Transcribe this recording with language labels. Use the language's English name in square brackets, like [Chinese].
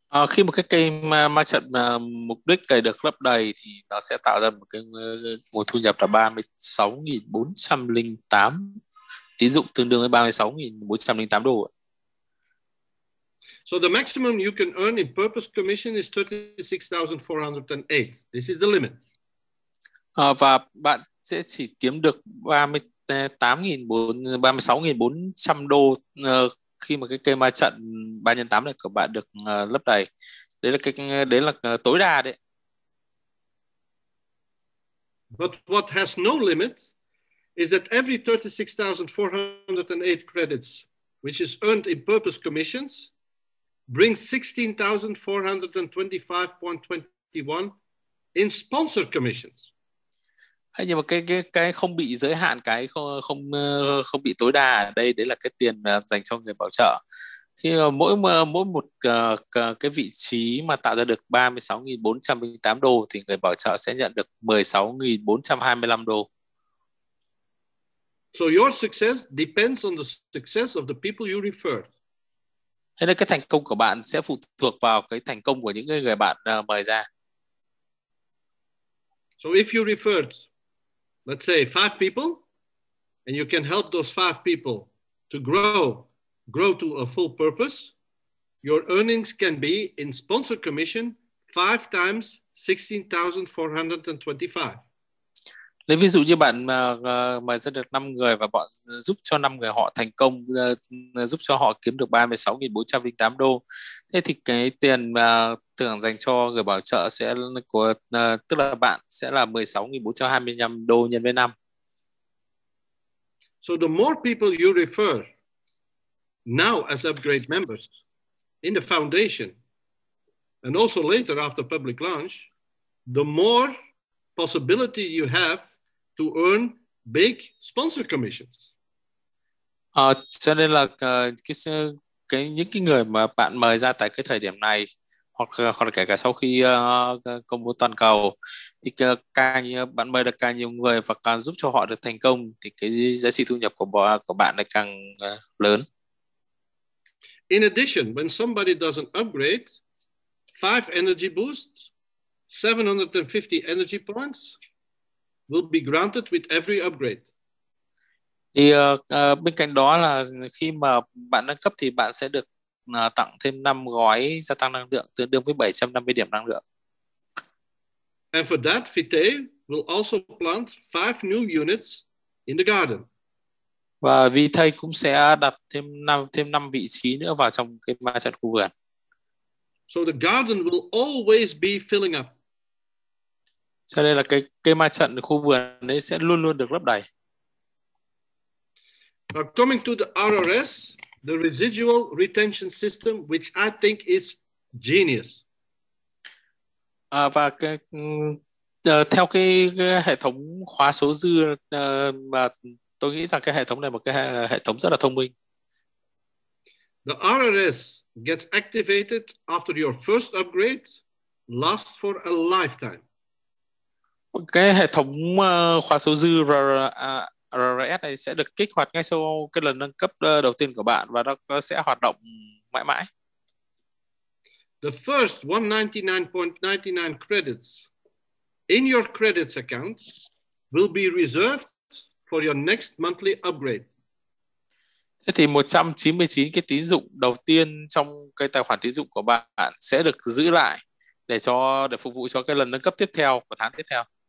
[Vietnamese] Khi một cái cây ma trận mục đích này được lấp đầy thì nó sẽ tạo ra một cái nguồn thu nhập là 36,408 tín dụng tương đương với 36,408 đô. [English] So the maximum you can earn in purpose commission is 36,408. This is the limit. [Vietnamese] Và bạn sẽ chỉ kiếm được 36,400 đô khi mà cái cây ma trận 3x8 này của bạn được lấp đầy. Đấy là tối đa đấy. [English] But what has no limit is that every 36,408 credits which is earned in purpose commissions brings 16,425.21 in sponsor commissions. [Vietnamese] Hay nhưng mà cái không bị giới hạn, cái không bị tối đa ở đây, đấy là cái tiền dành cho người bảo trợ. Khi mỗi một cái vị trí mà tạo ra được 36,408 đô thì người bảo trợ sẽ nhận được 16,425 đô. [English] So your success depends on the success of the people you refer. [Vietnamese] Thế nên cái thành công của bạn sẽ phụ thuộc vào cái thành công của những người bạn mời ra. [English] So if you refer, let's say 5 people, and you can help those 5 people to grow to a full purpose, your earnings can be in sponsor commission 5 times 16,425. [Vietnamese] Nếu ví dụ như bạn mời ra được 5 người và bọn giúp cho 5 người họ thành công, giúp cho họ kiếm được 36.408 đô, thế thì cái tiền thưởng dành cho người bảo trợ sẽ của tức là bạn sẽ là 16.425 đô nhân với 5. [English] So the more people you refer now as upgrade members in the foundation and also later after public launch, the more possibility you have to earn big sponsor commissions. [Vietnamese] Cho nên là cái những cái người mà bạn mời ra tại cái thời điểm này hoặc là kể cả sau khi công bố toàn cầu thì càng như bạn mời được càng nhiều người và càng giúp cho họ được thành công thì cái giá trị thu nhập của bạn lại càng lớn. [English] In addition, when somebody does an upgrade, 5 energy boosts, 750 energy points will be granted with every upgrade. [Vietnamese] Thì bên cạnh đó là khi mà bạn nâng cấp thì bạn sẽ được tặng thêm 5 gói gia tăng năng lượng tương đương với 750 điểm năng lượng. [English] And for that, Vitae will also plant 5 new units in the garden. [Vietnamese] Và Vitae cũng sẽ đặt thêm 5 vị trí nữa vào trong cái ma trận khu vườn. [English] So the garden will always be filling up. [Vietnamese] Cho nên là cái ma trận khu vườn ấy sẽ luôn luôn được lấp đầy. [English] Now coming to the RRS, the residual retention system, which I think is genius. [Vietnamese] Và theo cái hệ thống khóa số dư mà tôi nghĩ rằng cái hệ thống này một cái hệ thống rất là thông minh. [English] The RRS gets activated after your first upgrade, lasts for a lifetime. [Vietnamese] Cái hệ thống khóa số dư RRS này sẽ được kích hoạt ngay sau cái lần nâng cấp đầu tiên của bạn và nó sẽ hoạt động mãi mãi. [English] The first 199.99 credits in your credits account will be reserved for your next monthly upgrade. [Vietnamese] Thế thì 199 cái tín dụng đầu tiên trong cái tài khoản tín dụng của bạn sẽ được giữ lại để phục vụ cho cái lần nâng cấp tiếp theo của tháng tiếp theo.